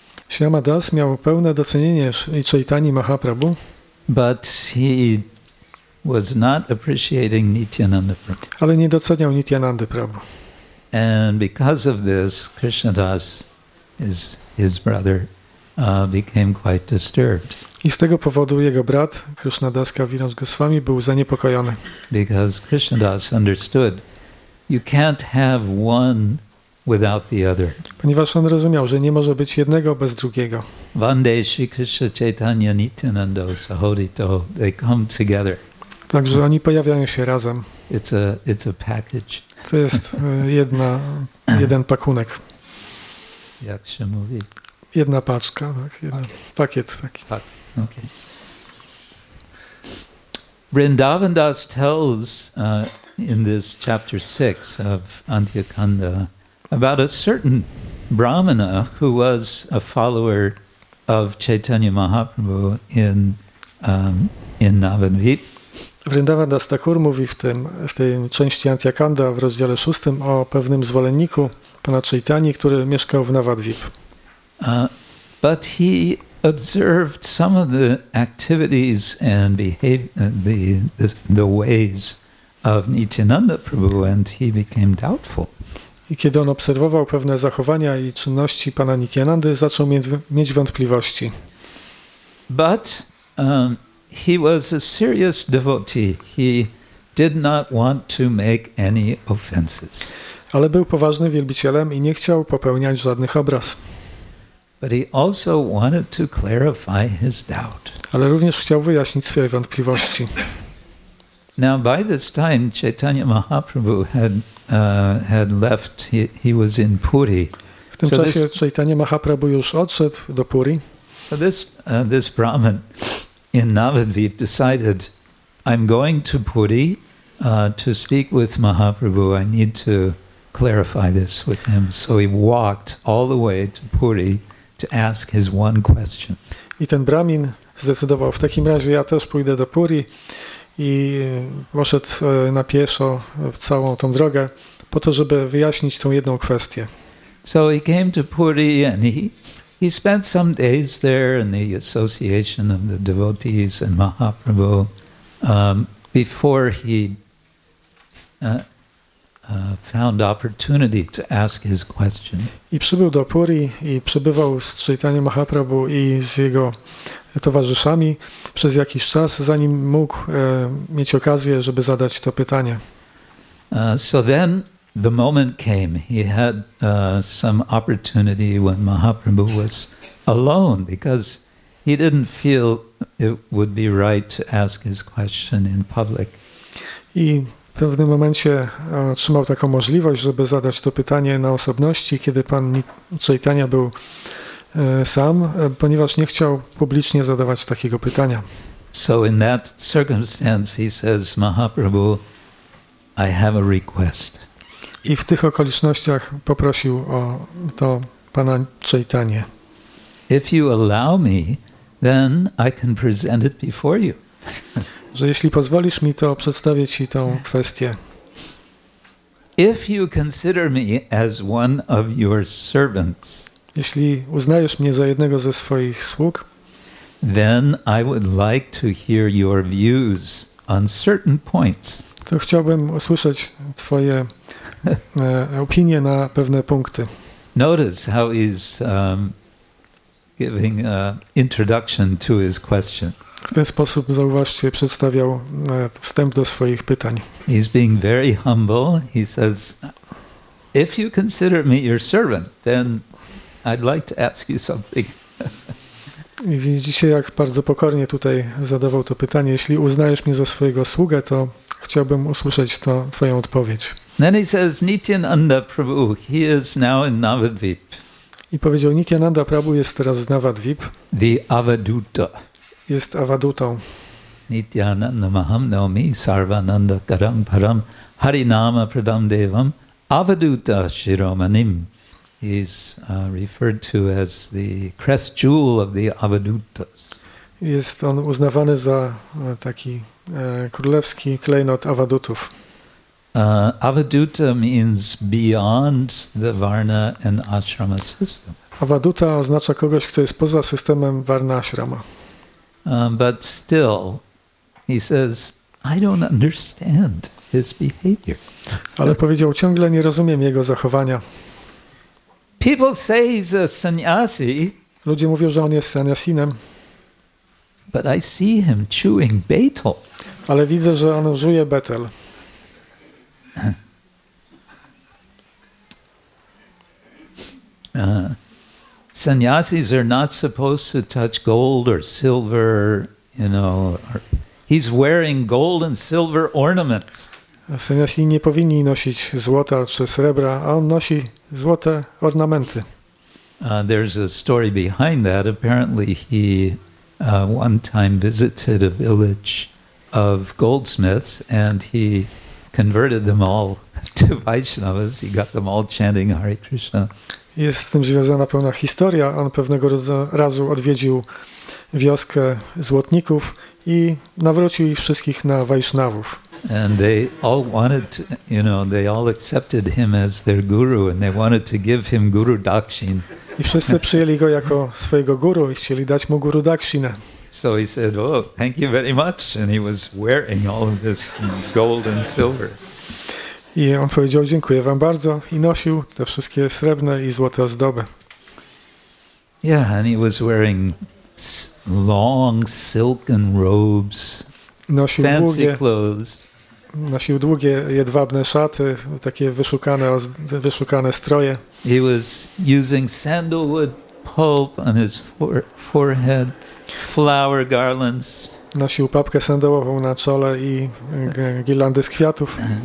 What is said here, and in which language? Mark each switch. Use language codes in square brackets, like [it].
[pl] Shyamadas miał pełne docenienie Chaitanya Mahaprabhu. [en] But he was not appreciating Nityananda Prabhu. [pl] Ale nie doceniał Nityananda Prabhu. [en] And because of this, Krishnadas, his brother, became quite disturbed. [pl] I z tego powodu jego brat, Krishnadas Kaviraj Goswami, był zaniepokojony. [en] Because Krishnadas understood, you can't have one without the other. [pl] Ponieważ on rozumiał, że nie może być jednego bez drugiego. [sa] Vande Shri Krishna Chaitanya Nityananda Sahodito, [en] they come together. [pl] Także oni pojawiają się razem. [en] It's a package. [pl] To jest jeden pakunek. Jak się mówi? Jedna paczka, tak, jeden pakiet taki. [en] Okay. Vrindavan Das tells in this chapter 6 of Antyakanda about a certain Brahmana who was a follower of Chaitanya Mahaprabhu in Navanvip. [pl] Vrindavan Das Thakur mówi w tej części Antyakanda w rozdziale 6 o pewnym zwolenniku pana Chaitanyi, który mieszkał w Navadvip. [en] But he observed some of the activities and behavior, the ways of Nityananda Prabhu, and he became doubtful. [pl] I kiedy on obserwował pewne zachowania i czynności pana Nityanandy, zaczął mieć wątpliwości. [en] But he was a serious devotee. He did not want to make any offenses. [pl] Ale był poważnym wielbicielem i nie chciał popełniać żadnych obraz. [en] But he also wanted to clarify his doubt. [pl] Ale również chciał wyjaśnić swoje wątpliwości. [en] Now by this time Chaitanya Mahaprabhu had left. He was in Puri. [pl] W tym czasie Chaitanya Mahaprabhu już odszedł do Puri. [en] So this Brahmin in Navadvip decided, I'm going to Puri to speak with Mahaprabhu. I need to clarify this with him. So he walked all the way to Puri to ask his one question. [pl] I ten Brahmin zdecydował, w takim razie ja też pójdę do Puri i poszedł na pieszo całą tą drogę po to, żeby wyjaśnić tą jedną kwestię. [en] So he came to Puri and he spent some days there in the association of the devotees and Mahaprabhu before he found opportunity to ask his question. [pl] I przybył do Puri i przebywał z Chaitanya Mahaprabhu i z jego towarzyszami przez jakiś czas, zanim mógł mieć okazję, żeby zadać to pytanie. [en] So then the moment came. He had some opportunity when Mahaprabhu was alone because he didn't feel it would be right to ask his question in public. [pl] I w pewnym momencie otrzymał taką możliwość, żeby zadać to pytanie na osobności, kiedy pan Chaitanya był sam, ponieważ nie chciał publicznie zadawać takiego pytania. [en] So in that circumstance he says, Mahaprabhu, I have a request. [pl] I w tych okolicznościach poprosił o to pana Chaitanya. [en] If you allow me, then I can present it before you. [pl] Że jeśli pozwolisz mi, to przedstawię ci tę kwestię. [en] If you consider me as one of your servants, [pl] jeśli uznajesz mnie za jednego ze swoich sług, [en] then I would like to hear your views on certain points. [pl] To chciałbym usłyszeć twoje opinie na pewne punkty. [en] Notice how he's giving an introduction to his question. [pl] W ten sposób, zauważcie, przedstawiał wstęp do swoich pytań. [en] He's being very humble. He says, if you consider me your servant, then I'd like to ask you something. [pl] I widzicie, jak bardzo pokornie tutaj zadawał to pytanie. Jeśli uznajesz mnie za swojego sługę, to chciałbym usłyszeć to twoją odpowiedź. [en] Then he says, Nityananda Prabhu, he is now in Navadvip. [pl] I powiedział, Nityananda Prabhu jest teraz w Navadvip. [en] The Avaduta. [pl] Jest avadutą. [sa] Nityananda maham naomi sarvananda karam param harinama pradam devam avaduta shiromanim. [en] He's referred to as the crest jewel of the avadutas. [pl] Jest on uznawany za taki królewski klejnot avadutów. [en] Avaduta means beyond the varna and ashrama system. [pl] Avaduta oznacza kogoś, kto jest poza systemem varna ashrama. [en] But still, he says, I don't understand his behavior. [pl] Ale powiedział, ciągle nie rozumiem jego zachowania. [en] People say he's a sannyasi. [pl] Ludzie mówią, że on jest sannyasinem. [en] But I see him chewing betel. [pl] Ale widzę, że on żuje betel. [en] sannyasis are not supposed to touch gold or silver, you know. Or, he's wearing gold and silver ornaments. [pl] Sannyasi nie powinni nosić złota czy srebra, a on nosi złote ornamenty. [en] There's a story behind that. Apparently he one time visited a village of goldsmiths and he converted them all to Vaishnavas. He got them all chanting Hare Krishna. [pl] Jest z tym związana pewna historia. On pewnego razu odwiedził wioskę złotników i nawrócił ich wszystkich na Vaishnavów. [en] And they all wanted to, you know, they all accepted him as their guru and they wanted to give him guru dakshin. [pl] I wszyscy przyjęli go jako swojego guru i chcieli dać mu guru dakshinę. [en] So he said, oh, thank you very much. And he was wearing all of this gold and silver. [pl] I on powiedział, dziękuję wam bardzo. I nosił te wszystkie srebrne i złote ozdoby. [en] Yeah, and he was wearing long silken robes, [pl] nosił [en] fancy [pl] długie, [en] clothes. [pl] Nosił długie, jedwabne szaty, takie wyszukane stroje. [en] He was using sandalwood pulp on his forehead. Flower garlands. [pl] Nosił papkę sandałową na czole i girlandy z kwiatów.